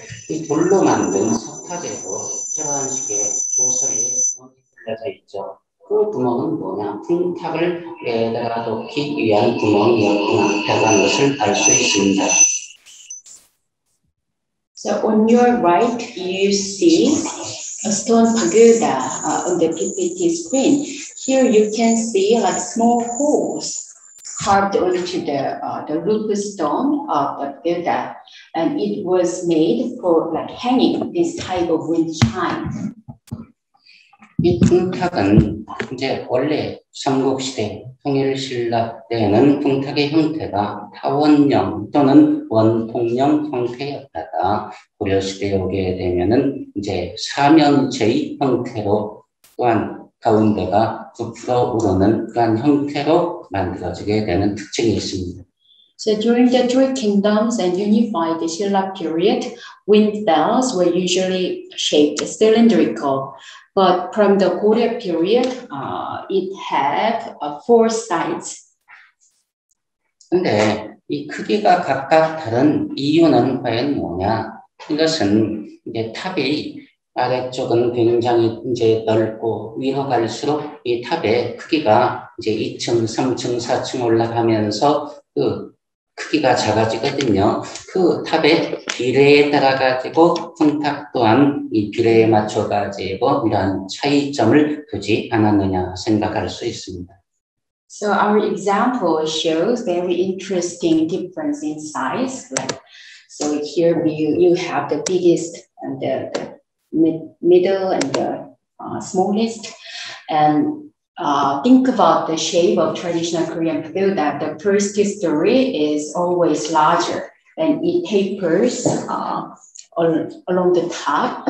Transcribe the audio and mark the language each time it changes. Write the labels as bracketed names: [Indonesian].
[Korean] 이 돌로 만든 석탑에도 이러한 식의 모서리에 구멍이 뚫려져 있죠. 그 구멍은 뭐냐? 풍탑을 내다가 놓기 위한 구멍이었구나 라는 것을 알 수 있습니다. [English] So on your right, you see a stone pagoda on the PPT screen. Here you can see like small holes carved onto the roof stone of the pagoda. And it was made for like hanging this type of wind chime. [Korean] 이 풍탁은 이제 원래 삼국시대 통일신라 때에는 풍탁의 형태가 타원형 또는 원통형 형태였다가 고려시대에 오게 되면은 이제 사면체의 형태로 또한 가운데가 부풀어 오르는 그런 형태로 만들어지게 되는 특징이 있습니다. [English] So during the three kingdoms and unified the Silla period, wind bells were usually shaped cylindrical. But from the Goryeo period, it had four sides. [Korean] 근데 이 크기가 각각 다른 이유는 과연 뭐냐? 이것은 이제 탑이 아래쪽은 굉장히 이제 넓고 위로 갈수록 이 탑의 크기가 이제 2층, 3층, 4층 올라가면서 그 크기가 작아지거든요. 그 탑의 비례에 따라 가지고 풍탑 또한 이 비례에 맞춰 가지고 이런 차이점을 두지 않았느냐 생각할 수 있습니다. [English] So our example shows very interesting difference in size. Like, so here you have the biggest and the middle and the smallest. And think about the shape of traditional Korean pagoda, that the first story is always larger and it tapers along the top.